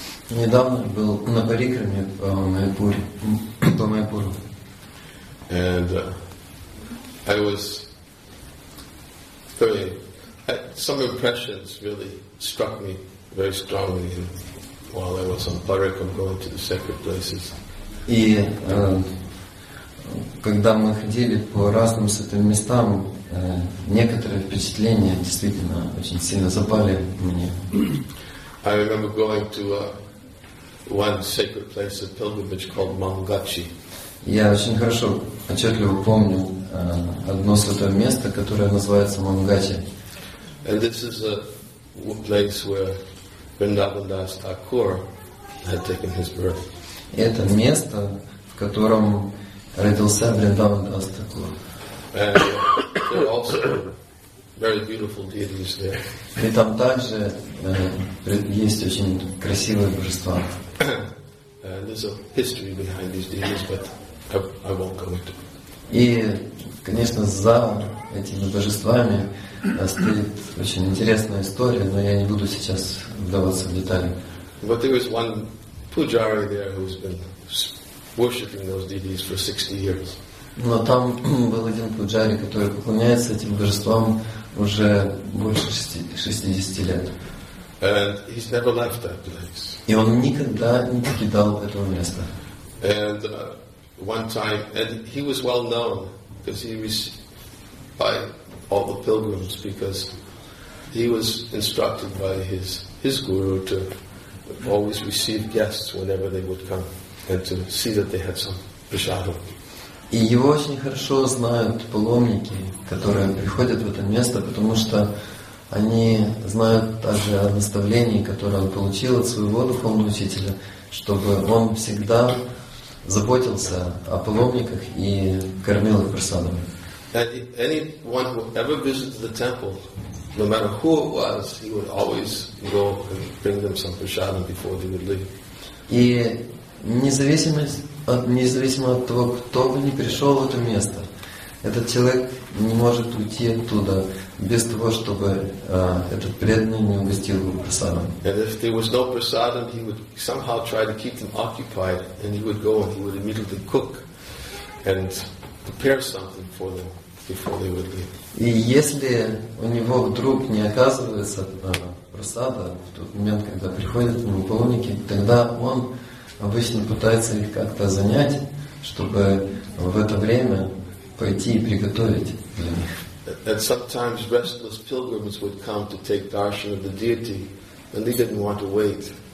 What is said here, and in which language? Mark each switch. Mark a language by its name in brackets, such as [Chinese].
[Russian] Недавно был на Парикраме по Майяпуру. [English] And I was very, some impressions really struck me very strongly while I was on Parikram going to the sacred places. [Russian] И когда мы ходили по разным святым местам, некоторые впечатления действительно очень сильно запали мне. [English] I remember going to one sacred place of pilgrimage called Mangachi. [Russian] Я очень хорошо, отчетливо помню одно святое место, которое называется Мангачи. [English] And this is a place where Vrindavan Das Thakur had taken his birth. [Russian] Это место, в котором родился Вриндаван Дас Такур. [English] And there are also very beautiful deities there. [Russian] И там также есть очень красивые божества. [English] There's a history behind these deities, but I won't go into it. [Russian] И, конечно, за этими божествами стоит очень интересная история, но я не буду сейчас вдаваться в детали. [English] But there was one pujari there who's been worshipping those deities for 60 years. [Russian] Но там был один пуджари, который поклоняется этим божествам уже больше 60 лет. [English] And he's never left that place. [Russian] И он никогда не покидал этого места. [English] And one time, and he was well known because he was by all the pilgrims because he was instructed by his guru to always receive guests whenever they would come and to see that they had some prasadam. [Russian] И его очень хорошо знают паломники, которые приходят в это место, потому что они знают также о наставлении, которое он получил от своего духовного учителя, чтобы он всегда заботился о паломниках и кормил их прасадами. [English] Anyone who ever visited the temple, no matter who it was, he would always go and bring them some prasadam before they would leave. [Russian] И независимо от того, кто бы ни пришел в это место, этот человек не может уйти оттуда без того, чтобы этот преданный не угостил его прасадом. [English] And if there was no prasadam, he would somehow try to keep them occupied, and he would go and he would immediately cook and prepare something for them before they would leave. [Russian] И если у него вдруг не оказывается прасада в тот момент, когда приходят к нему паломники, тогда он обычно пытается их как-то занять, чтобы в это время пойти и приготовить для них. [English] And sometimes restless pilgrims would come to take darshan of the deity, and they didn't want to wait.